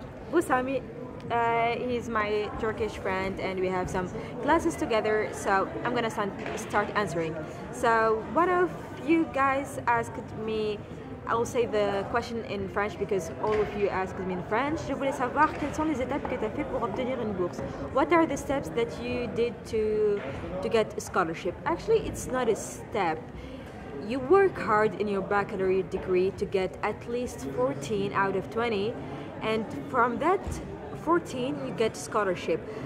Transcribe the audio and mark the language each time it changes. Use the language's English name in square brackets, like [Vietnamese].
[English] Bu Sami. He's my Turkish friend, and we have some classes together. So I'm going to start answering. So one of you guys asked me, I will say the question in French because all of you asked me in French. [French] Je voulais savoir quelles sont les étapes que tu as fait pour obtenir une bourse. [English] What are the steps that you did to get a scholarship? Actually, it's not a step. You work hard in your baccalaureate degree to get at least 14 out of 20, and from that 14 you get a scholarship.